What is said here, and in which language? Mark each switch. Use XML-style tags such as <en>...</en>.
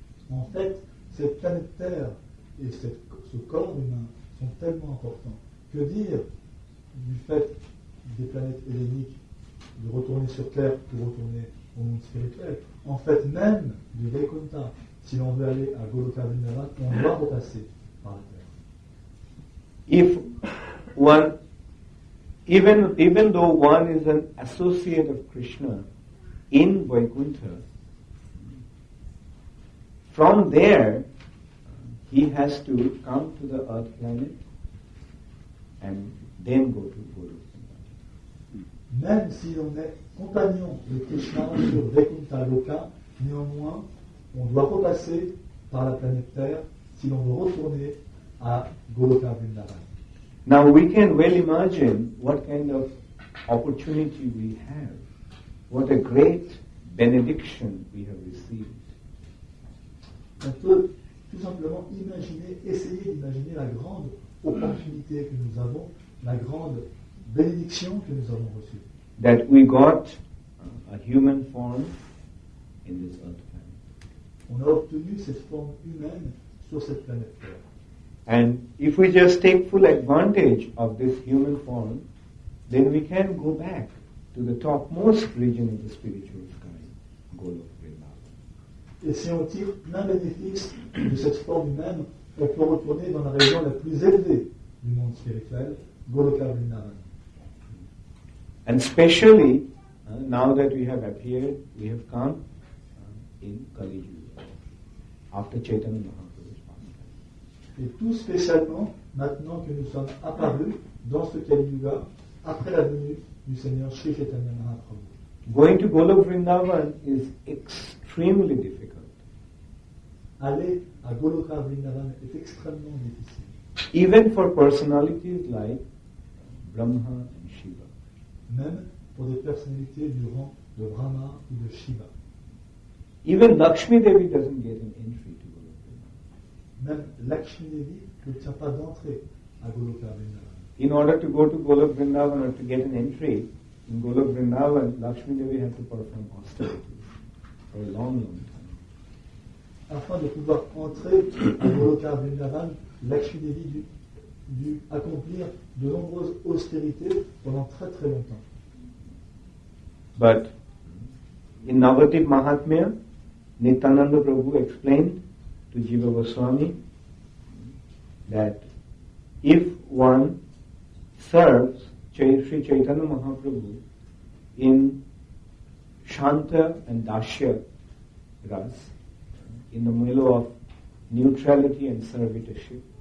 <fr>En fait, cette planète Terre et ce corps humain sont tellement importants. Que dire du fait des planètes helléniques de retourner sur Terre pour retourner au monde spirituel? En fait, même du Vaikuntha, si l'on veut aller à Goloka Vrindavan, on doit repasser par la Terre.</fr> <en>If one, even though one is an associate of Krishna in Vaikuntha, from there he has to come to the earth planet and then go to Guru.</en> <fr>Même si on est compagnon de Krishna sur Vaikuntha Loka, néanmoins, on doit repasser par la planète Terre si l'on veut retourner à Goloka Vrindavan.</fr> <en>Now we can well imagine what kind of opportunity we have, what a great benediction we have received.</en> <fr>On peut tout simplement essayer d'imaginer la grande opportunité que nous avons, la grande bénédiction que nous avons reçue.</fr> <en>That we got a human form in this earth planet.</en> <fr>On a obtenu cette forme humaine sur cette planète Terre.</fr> <en>And if we just take full advantage of this human form, then we can go back to the topmost region of the spiritual sky, Goloka.</en> <fr>Et si on tire plein bénéfice de cette forme humaine, on peut retourner dans la région la plus élevée du monde spirituel, Goloka Vrindavan.</fr> <en>And especially now that we have appeared, we have come in Kali Yuga after Chaitanya Mahaprabhu's passing.</en> <fr>Et tout spécialement maintenant que nous sommes apparus dans ce Kali Yuga après la venue du Seigneur Sri Chaitanya Mahaprabhu.</fr> <en>Going to Goloka Vrindavan is extremely difficult.</en> <fr>Aller à Goloka Vrindavan est extrêmement difficile.</fr> <en>Even for personalities like Brahma and Shiva.</en> <fr>Même pour des personnalités du rang de Brahma ou de Shiva.</fr> <en>Even Lakshmi Devi doesn't get an entry to Goloka Vrindavan.</en> <fr>Même Lakshmi Devi n'obtient pas d'entrée à Goloka Vrindavan.</fr> <en>In order to go to Goloka Vrindavan or to get an entry in Goloka Vrindavan, Lakshmi Devi has to perform austerities for a long, long time.</en> <fr>Afin de pouvoir entrer à Goloka Vrindavan, Lakshmi Devi dû accomplir de nombreuses austérités pendant très très longtemps.</fr> <en>But in Navadvip Mahatmya, Nityananda Prabhu explained to Jiva Goswami that if one serves Sri Chaitanya Mahaprabhu in Shanta and Dasya Ras, in the middle of neutrality and servitorship,</en>